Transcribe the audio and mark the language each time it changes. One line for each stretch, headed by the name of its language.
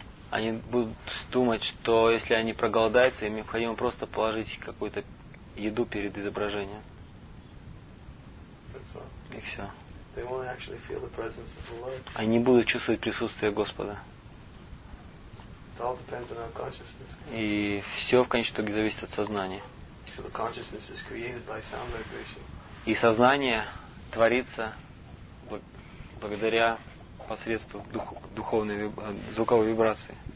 Russian: Они будут думать, что если они проголодаются, им необходимо просто положить какую-то еду перед изображением. И все.
English: They won't actually feel the presence of the Lord.
Russian: Они не будут чувствовать присутствие Господа.
English: It all depends on our consciousness.
Russian: И все в конечном итоге зависит от сознания.
English: So the consciousness is created by sound vibration.
Russian: И сознание творится благодаря посредством духовной звуковой вибрации.